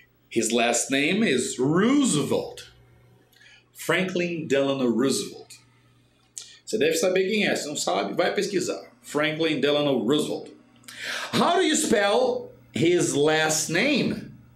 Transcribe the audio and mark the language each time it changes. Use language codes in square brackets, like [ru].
[en] His last name is Roosevelt. Franklin Delano Roosevelt. [pt] Você deve saber quem é. Se não sabe, vai pesquisar. [en] Franklin Delano Roosevelt. How do you spell his last name?